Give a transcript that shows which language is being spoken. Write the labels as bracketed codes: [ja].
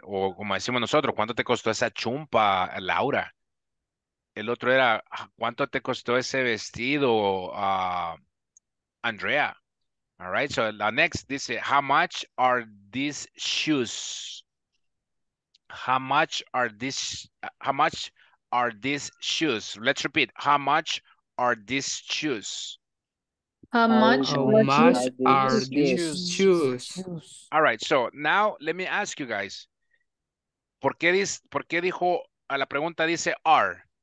[es] O como decimos nosotros, ¿cuánto te costó esa chumpa, Laura? El otro era, ¿cuánto te costó ese vestido, Andrea? [en] All right, so la next dice, how much are these shoes? How much are these shoes? Let's repeat, how much are these shoes? How much are these shoes? All right, so now let me ask you guys. [es] ¿Por qué dijo, a la pregunta dice are?